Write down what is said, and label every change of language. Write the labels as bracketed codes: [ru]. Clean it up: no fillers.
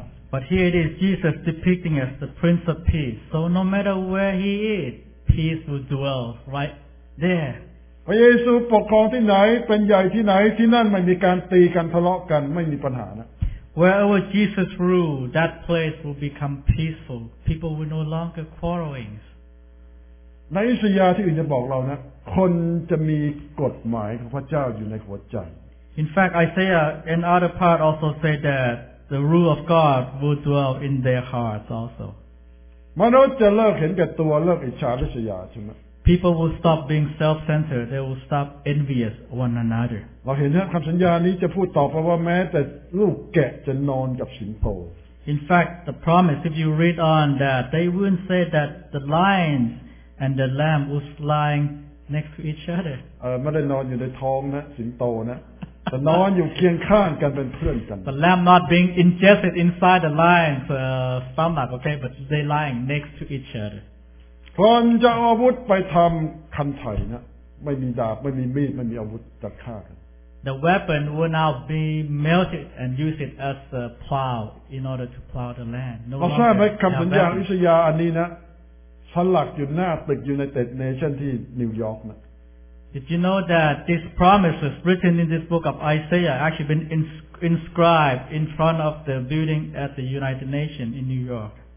[en] But here it is, Jesus depicting as the Prince of Peace. So no matter where he is, peace will dwell right there. [th] พระเยซูปกครองที่ไหนเป็นใหญ่ที่ไหนที่นั่นไม่มีการตีกันทะเลาะกันไม่มีปัญหานะ [en] Wherever Jesus rule, that place will become peaceful. People will no longer quarreling. [th] ในอิสยาห์ที่อื่นจะบอกเรานะคนจะมีกฎหมายของพระเจ้าอยู่ในหัวใจ [en] In fact, Isaiah and other part also say that the rule of God will dwell in their hearts also. [th] มนุษย์จะเลิกเห็นแก่ตัวเลิกอิจฉาริษยาใช่ไหม [en] People will stop being self-centered. They will stop envious one another. [th] เราเห็นนะคำสัญญานี้จะพูดต่อไปว่าแม้แต่ลูกแกะจะนอนกับสิงโต [en] In fact, the promise, if you read on that, they won't say that the lions and the lamb was lying next to each other. [th] ไม่ได้นอนอยู่ในท้องนะสิงโตนะแต่นอนอยู่เคียงข้างกันเป็นเพื่อนกัน [en] The lamb not being ingested inside the lion's stomach, okay? But they lying next to each other. [th] คนจะอาวุธไปทำคันไถนะไม่มีดาบไม่มีมีดไม่มีอาวุธจะฆ่ากัน [en] The weapon will now be melted and use it as a plow in order to plow the land. [th] เราทราบไหมคำสัญญาอิสยาห์อันนี้นะสลักอยู่หน้าตึกยูไนเต็ดเนชั่นที่นิวยอร์กนะ [en] Did you know that this promise was written in this book of Isaiah actually been inscribed in front of the building at the United Nations in New York?